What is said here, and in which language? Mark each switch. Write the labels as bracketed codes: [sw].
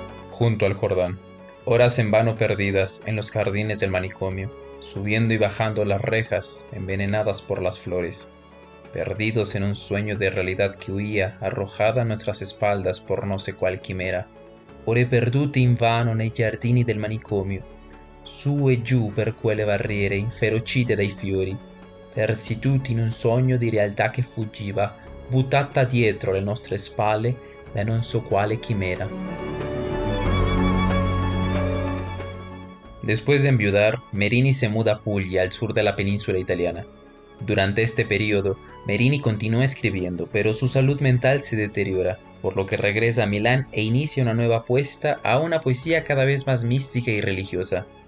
[es] Junto al Jordán, horas en vano perdidas en los jardines del manicomio, subiendo y bajando las rejas envenenadas por las flores, perdidos en un sueño de realidad que huía arrojada a nuestras espaldas por no sé cuál quimera. [it] Ore perdute in vano nei giardini del manicomio, su e giù per quelle barriere inferocite dai fiori, persi tutti in un sogno di realtà che fuggiva, buttata dietro le nostre spalle da non so quale chimera. [es] Después de enviudar, Merini se muda a Puglia, al sur de la península italiana. Durante este periodo, Merini continúa escribiendo, pero su salud mental se deteriora, por lo que regresa a Milán e inicia una nueva apuesta a una poesía cada vez más mística y religiosa.